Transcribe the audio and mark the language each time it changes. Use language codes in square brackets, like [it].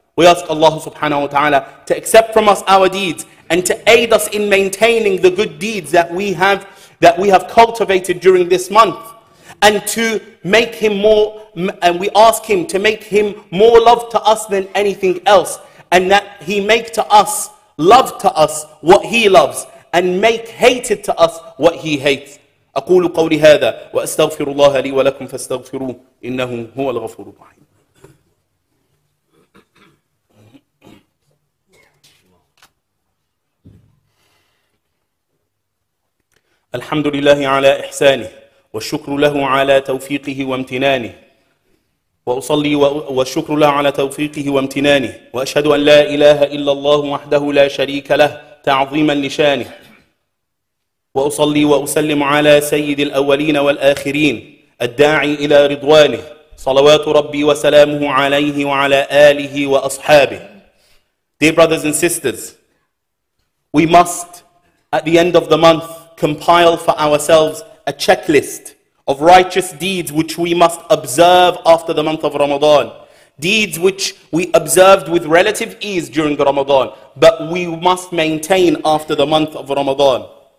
[en] We ask Allah subhanahu wa ta'ala to accept from us our deeds and to aid us in maintaining the good deeds that we have cultivated during this month, and to make him more, and we ask him to make him more loved to us than anything else, and that he make to us love to us what he loves, and make hated to us what he hates. [ar] أقول قولي هذا وأستغفر الله لي ولكم فاستغفروه إنه هو الغفور الرحيم. الحمد لله على إحسانه والشكر له على توفيقه وامتنانه وأصلي والشكر له على توفيقه وامتنانه وأشهد أن لا إله إلا الله وحده لا شريك له تعظيما لشانه وأصلي وأسلم على سيد الأولين والآخرين الداعي إلى رضوانه صلوات ربي وسلامه عليه وعلى آله وأصحابه. [en] Dear brothers and sisters, we must at the end of the month compile for ourselves a checklist of righteous deeds which we must observe after the month of Ramadan. Deeds which we observed with relative ease during Ramadan, but we must maintain after the month of Ramadan.